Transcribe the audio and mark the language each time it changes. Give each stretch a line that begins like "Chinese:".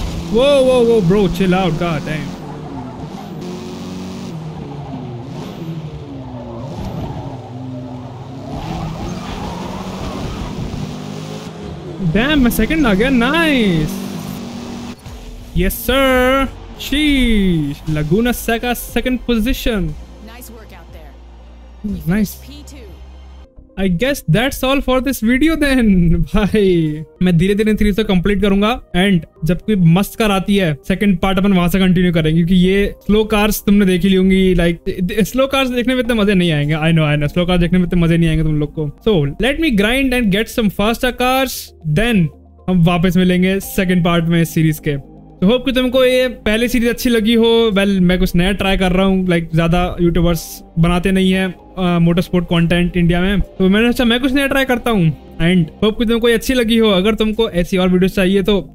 English: whoa bro chill out god damn Damn, my second again. Nice. Yes, sir. Sheesh. Laguna Seca second position. Nice work out there. Nice. P2. I guess that's all for this video then. Bye.
Hindi: मैं धीरे-धीरे 300 complete करूँगा. And जब कोई मस्त car आती है, second part अपन वहाँ से continue करेंगे. क्योंकि ये slow cars तुमने देखी होंगी. Like slow cars देखने में इतने मजे नहीं आएंगे.
English: I know.
Hindi: Slow cars देखने में इतने मजे नहीं आएंगे तुम लोग को.
English: So let me grind and get some faster cars. Then
Hindi: हम वापस मिलेंगे second part में series के. तो होप कि तुमको ये पहले सीरीज अच्छी लगी हो वेल मैं कुछ नया ट्राई कर रहा हूँ लाइक ज्यादा यूट्यूबर्स बनाते नहीं है मोटर स्पोर्ट कॉन्टेंट इंडिया में तो मैंने सोचा मैं कुछ नया ट्राई करता हूँ एंड होप कि तुमको ये अच्छी लगी हो अगर तुमको ऐसी और वीडियोस चाहिए तो